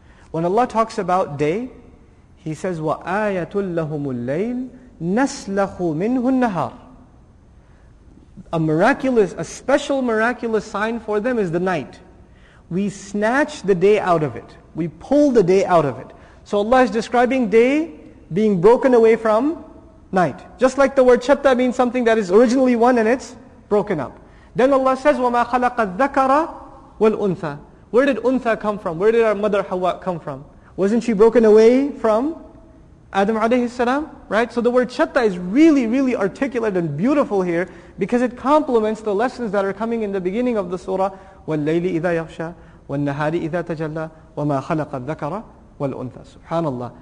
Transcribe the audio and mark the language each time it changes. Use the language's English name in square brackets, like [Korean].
[English] When Allah talks about day, He says, [Arabic] وَآيَةٌ لَهُمُ اللَّيْلِ نَسْلَخُ مِنْهُ النَّهَارِ. [English] A special miraculous sign for them is the night. We snatch the day out of it. We pull the day out of it. So Allah is describing day being broken away from night. Just like the word shatta means something that is originally one and it's broken up. Then Allah says, [Arabic] وَمَا خَلَقَ الذَّكَرَ وَالْأُنْثَى. [English] Where did Untha come from? Where did our mother Hawa come from? Wasn't she broken away from Adam alayhi salam? Right? So the word chatta is really, really articulate and beautiful here because it complements the lessons that are coming in the beginning of the surah. [Arabic] وَاللَّيْلِ إِذَا يَغْشَى وَالنَّهَارِ إِذَا تَجَلَّى وَمَا خَلَقَ الذَّكَرَ وَالْأُنْثَى. SubhanAllah.